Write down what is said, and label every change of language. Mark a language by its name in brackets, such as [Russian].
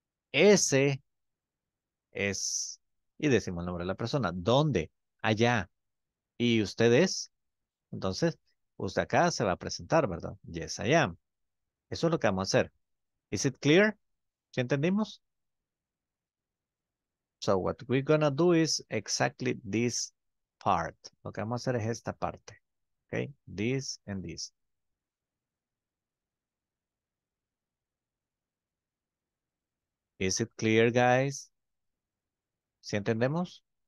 [Spanish] Ese es. Y decimos el nombre de la persona. ¿Dónde? Allá. ¿Y usted es? Entonces, usted acá se va a presentar, ¿verdad? [English] Yes, I am. [Spanish] Eso es lo que vamos a hacer. [English] ¿Is it clear? [Spanish] ¿Sí entendimos? [English] So what we're gonna do is exactly this part. [Spanish] Lo que vamos a hacer es esta parte. [English] Okay, this and this. Is it clear, guys? [Spanish] ¿Sí entendemos?